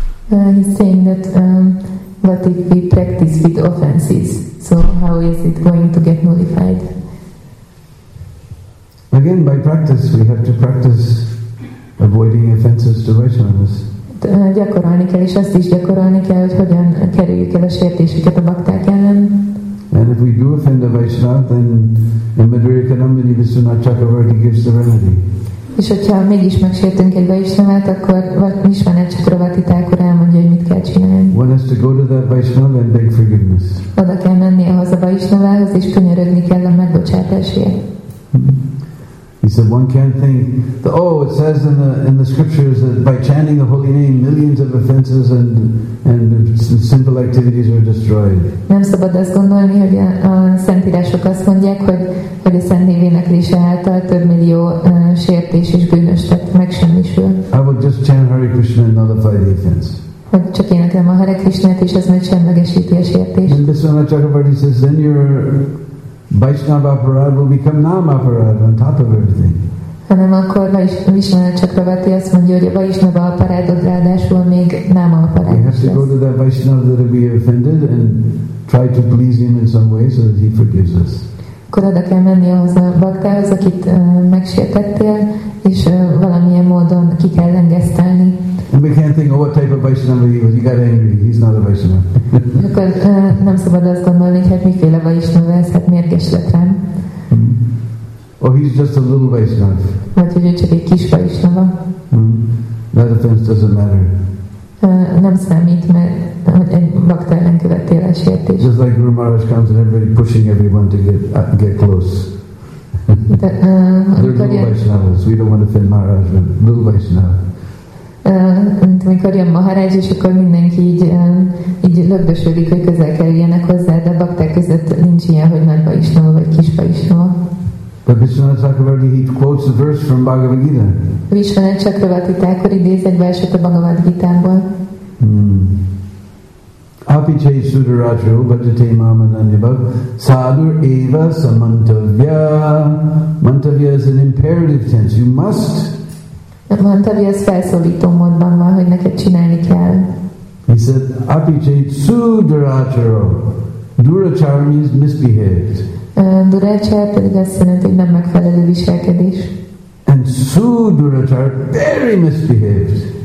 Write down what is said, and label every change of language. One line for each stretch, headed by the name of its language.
English: He's saying that what if we practice with offenses? So how is it going to get nullified? Again, by practice, we have to practice avoiding offenses to Vaishnavas.
Hungarian: Gyakorolni kell, és azt is gyakorolni kell, hogy hogyan kerüljük el a sértéseket a bakták ellen.
English: And if we do offend a Vaishnava, then in Madhurya Kadambini Viswanath Chakravarti gives the remedy.
Hungarian: És hogyha mégis megsértünk egy Vaishnavát, akkor Vishvanatha Chakravarti Thakur elmondja, hogy mit kell csinálni.
English: One has to go to that Vaishnava and beg forgiveness.
Hungarian: Oda kell menni ahhoz a Vaishnavához, és könyörögni kell a megbocsátásért.
English: He said one can't think that, oh, it says in the scriptures that by chanting the holy name millions of offenses and simple activities are destroyed.
Hungarian: Nem szabad azt gondolni, hogy a szentírások azt mondják, hogy a szent névének lése által több millió sértés és bűnös tett megsemmisül.
English: I would just chant Hare Krishna and nullify the offense.
Hungarian: Hogy csak énekelem a Hare Krishnát, és ez megsemmegesíti a sértést.
English: And Viswanatha Chakravarti says then you're Vaishnava aparad will become nama aparad on top of everything.
Hungarian: Hanem akkor Vishnu Chakravarti azt mondja, hogy a Vaishnava aparadot ráadásul még nama aparad.
English: We have to go to that Vaishnava that we offended and try to please him in some way so that he forgives us.
Hungarian: Akkor oda kell menni ahhoz a baktához, akit megsértettél, és valamilyen módon ki kell engesztelni.
English: And we can't think, oh, what type of Vaishnava he was. He got angry. He's not a Vaishnava.
Hungarian: Akkor nem szabad azt gondolni, hogy hát miféle Vaishnava ez, hát mérges lett rám.
English: Oh, he's just a little Vaishnava.
Hungarian: Vagy hogy ő csak egy kis Vaishnava.
English: That offense doesn't matter.
Hungarian: Nem számít, mert egy bakta ellen követtél a sértés.
English: Just like Guru Maharaj comes and everybody pushing everyone to get close. They're little Vaishnavas. We don't want to offend Maharaj, but little Vaishnava.
Hungarian: Amikor jön Maharaj, és akkor mindenki így lögdösödik, hogy közel kerüljenek hozzá, de a bakták között nincs ilyen, hogy nagy Vaishnava vagy kis Vaishnava.
English: But Viswanatha Chakravarti, he quotes a verse from Bhagavad Gita.
Hungarian: Viswanatha Chakravarti Thakur idéz egy verset a Bhagavad Gita-ból.
Sanskrit: Api chai sudarajo bhajate mama nanyabhav sadur eva samantavya.
English: Mantavya is an imperative tense. You must.
Hungarian: Mantavya is felszólító módban van, hogy neked csinálni kell.
English: He said,
Sanskrit: api chai sudarajo.
English: Duracharya means misbehaved.
Hungarian: Duracharya pedig azt jelenti, hogy nem megfelelő viselkedés.
English: And Suduracharya, very misbehaved.